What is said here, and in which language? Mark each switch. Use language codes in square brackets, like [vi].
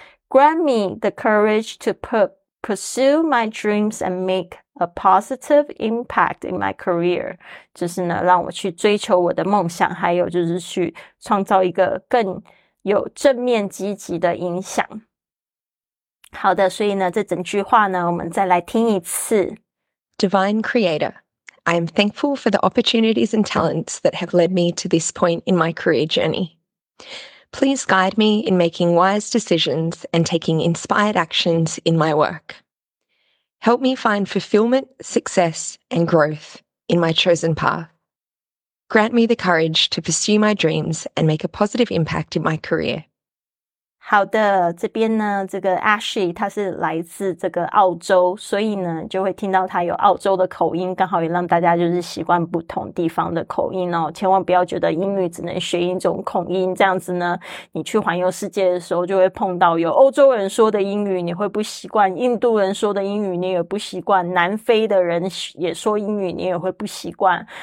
[en] Grant me the courage to pursue my dreams and make a positive impact in my career， [zh] 就是呢让我去追求我的梦想，还有就是去创造一个更有正面积极的影响。好的，所以呢这整句话呢我们再来听一次。 [en] Divine Creator， I am thankful for the opportunities and talents that have led me to this point in my career journey. Please guide me in making wise decisions and taking inspired actions in my work. Help me find fulfillment, success and growth in my chosen path. Grant me the courage to pursue my dreams and make a positive impact in my career. [zh] 好的，这边呢，这个 Ashley 他是来自这个澳洲，所以呢，就会听到他有澳洲的口音，刚好也让大家就是习惯不同地方的口音哦。千万不要觉得英语只能学一种口音，这样子呢，你去环游世界的时候就会碰到有欧洲人说的英语，你会不习惯；印度人说的英语你也不习惯；南非的人也说英语你也会不习惯。